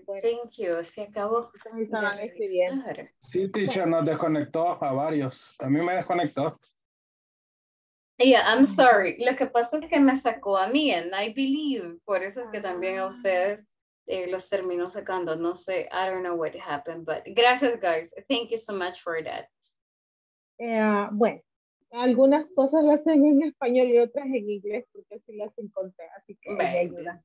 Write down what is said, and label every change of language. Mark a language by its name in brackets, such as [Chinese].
[English] Thank you, [Spanish] se acabó. Estaban escribiendo. Sí, teacher, nos desconectó a varios. A mí me desconectó. [English] Yeah, I'm sorry. [Spanish] Lo que pasa es que me sacó a mí, [English] and I believe. [Spanish] Por eso es que también a ustedes los terminó sacando. No sé, [English] I don't know what happened, but [Spanish] gracias, [English] guys. Thank you so much for that. [Spanish] Bueno, algunas cosas las tengo en español y otras en inglés porque así las encontré, así que me ayuda.